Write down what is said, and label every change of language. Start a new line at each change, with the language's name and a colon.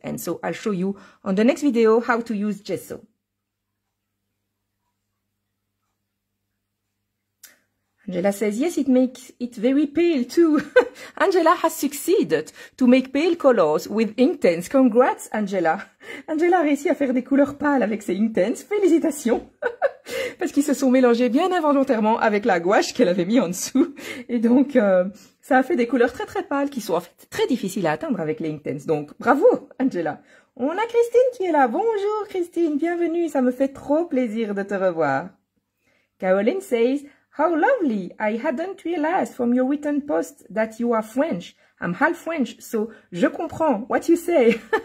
English: And so I'll show you on the next video how to use gesso. Angela says, yes, it makes it very pale too. Angela has succeeded to make pale colors with Intense. Congrats, Angela.
French: Angela a réussi à faire des couleurs pâles avec ses Intense. Félicitations. Parce qu'ils se sont mélangés bien involontairement avec la gouache qu'elle avait mis en dessous. Et donc, ça a fait des couleurs très très pâles qui sont en fait très difficiles à atteindre avec les Intense. Donc, bravo, Angela. On a Christine qui est là. Bonjour, Christine. Bienvenue. Ça me fait trop plaisir de te revoir.
English: Caroline says, how lovely! I hadn't realized from your written post that you are French. I'm half French, so
French: je comprends
English: what you say.